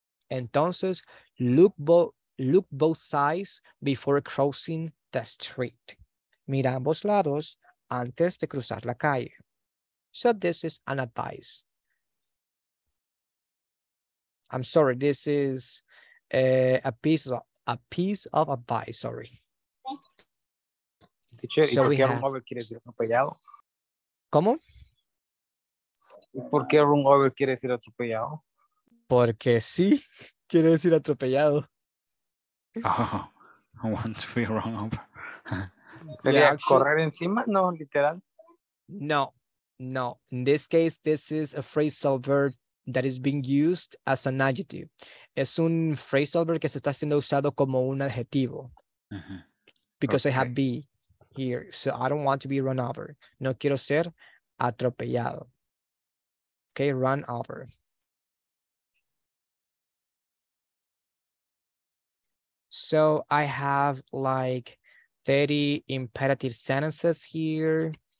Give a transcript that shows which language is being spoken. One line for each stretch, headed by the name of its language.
English: Entonces, look both sides before crossing the street.
Spanish: Mira ambos lados antes de cruzar la calle.
English: So this is an advice. I'm sorry, this is a piece of advice, sorry.
Spanish: Teacher, so ¿y por qué run over quiere decir atropellado? ¿Cómo? ¿Por qué run over quiere decir atropellado? Porque sí, quiere decir atropellado.
English: Oh, I want to be run over.
Spanish: ¿Sería yeah, correr encima? No, literal. No, no.
English: In this case, this is a phrasal verb that is being used as an adjective.
Spanish: Es un phrasal verb que se está siendo usado como un adjetivo.
English: Because okay. I have be here. So I don't want to be run over.
Spanish: No quiero ser atropellado. Okay, run over.
English: So I have like 30 imperative sentences here.